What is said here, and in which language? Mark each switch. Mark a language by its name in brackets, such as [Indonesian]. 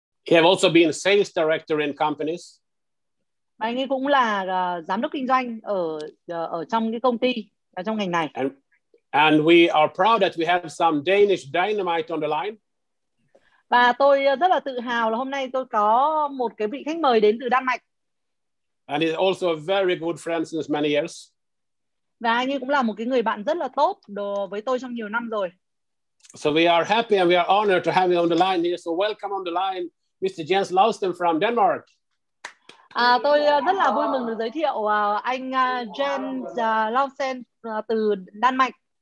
[English] have also been sales director in companies. [Vietnamese] Mà anh ấy cũng là giám đốc kinh doanh ở trong cái công ty, ở trong ngành này. [English] And we are proud that we have some Danish dynamite on the line. [Vietnamese] Và tôi rất là tự hào là hôm nay tôi có một cái vị khách mời đến từ Đan Mạch. [English] And he's also a very good friend since many years. [Vietnamese] Và anh ấy cũng là một cái người bạn rất là tốt với tôi trong nhiều năm rồi. [English] So we are happy and we are honored to have you on the line here. So welcome on the line, Mr. Jens Lausten from Denmark. [Vietnamese] Tôi rất là vui mừng được giới thiệu anh Jens Lausten từ Đan Mạch.